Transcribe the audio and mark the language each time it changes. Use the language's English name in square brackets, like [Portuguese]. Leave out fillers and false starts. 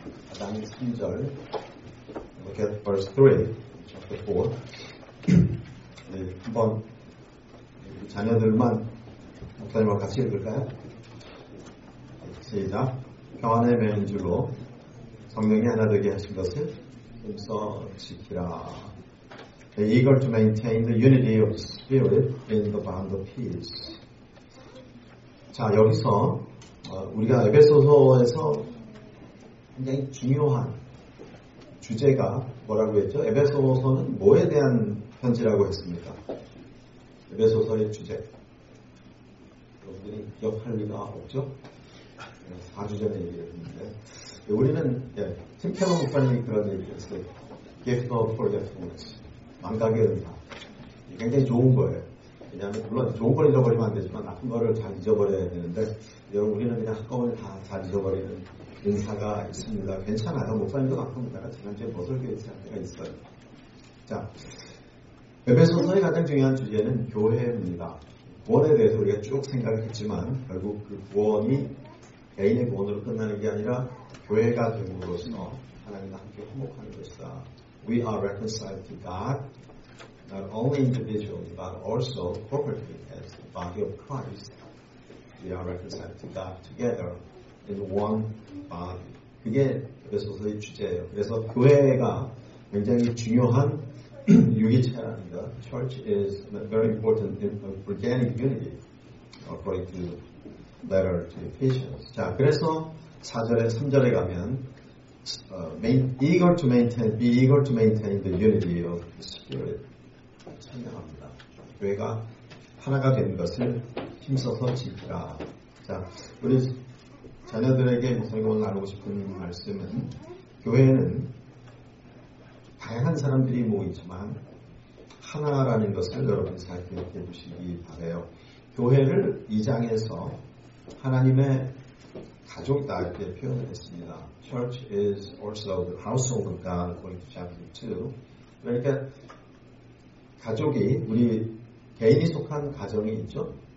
[Korean] 아담의 3절 [English] Look at verse 3 chapter 4 [Korean] 네, 한번 자녀들만 목사님과 같이 읽을까요? 시작. 평안의 맺은 줄로 성령이 하나 되게 하신 것을 힘써 지키라. [English] The eager to maintain the unity of spirit in the bond of peace. [Korean] 자, 여기서 우리가 에베소서에서 굉장히 중요한 주제가 뭐라고 했죠? 에베소서는 뭐에 대한 편지라고 했습니까? 에베소서의 주제. 여러분들이 기억할 리가 없죠? 4주 전에 얘기를 했는데. 우리는 예, 팀케론 목사님이 그런 얘기를 했어요. [English] Gift of forgetfulness. [Korean] 망각의 은사. 굉장히 좋은 거예요. 왜냐하면 물론 좋은 걸 잊어버리면 안 되지만 나쁜 거를 잘 잊어버려야 되는데 여러분 우리는 그냥 한꺼번에 다 잘 잊어버리는 은사가 있습니다. 괜찮아요. 목사님도 가끔 내가 지난주에 무엇을 계획한 때가 있어요. 자, 에베소서의 가장 중요한 주제는 교회입니다. 구원에 대해서 우리가 쭉 생각했지만 결국 그 구원이 개인의 구원으로 끝나는 게 아니라 교회가 됨으로써 하나님과 함께 화목하는 것이다. [English] We are reconciled to God, not only individually, but also corporately as the body of Christ. We are reconciled to God together in one body. [Korean] 그게 에베소서의 주제예요. 그래서 교회가 굉장히 중요한 유기체랍니다. [English] Church is very important in organic unity, according to letter to Ephesians. [Korean] 자, 그래서 4절에 3절에 가면 [English] be eager to maintain the unity of the spirit. [Korean] 찬양합니다. 교회가 하나가 되는 것을 힘써서 지키라. 자, 우리 자녀들에게 목사님과 오늘 나누고 싶은 말씀은 교회는 다양한 사람들이 모이지만 하나라는 것을 여러분 잘 기억해 주시기 바라요. 교회를 2장에서 하나님의 가족이다 이렇게 표현을 했습니다. [English] Church is also the household of God according to chapter 2. [Korean] 그러니까 가족이 우리 개인이 속한 가정이 있죠.